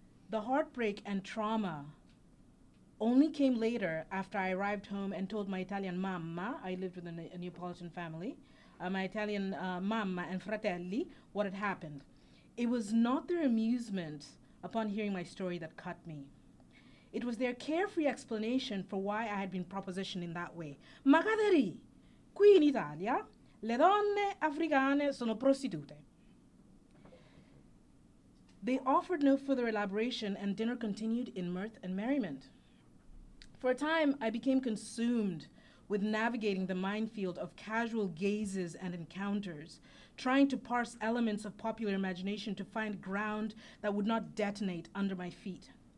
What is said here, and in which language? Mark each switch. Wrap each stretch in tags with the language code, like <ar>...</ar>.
<en>The heartbreak and trauma only came later after I arrived home and told my Italian mamma, I lived with a Neapolitan family, my Italian mamma and fratelli, what had happened. It was not their amusement upon hearing my story that cut me. It was their carefree explanation for why I had been propositioned in that way.</en> <it>Magari, qui in Italia, le donne africane sono prostitute.</it> <en>They offered no further elaboration and dinner continued in mirth and merriment. For a time, I became consumed with navigating the minefield of casual gazes and encounters, trying to parse elements of popular imagination to find ground that would not detonate under my feet.</en>